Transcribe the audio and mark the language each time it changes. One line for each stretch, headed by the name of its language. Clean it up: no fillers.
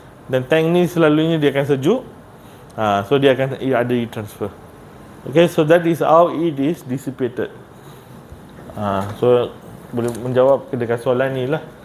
Malay: Dan tank ni selalunya dia akan sejuk. So dia akan ada heat transfer.
English: Okay, so that is how it is dissipated.
Malay: So boleh menjawab dekat soalan ni lah.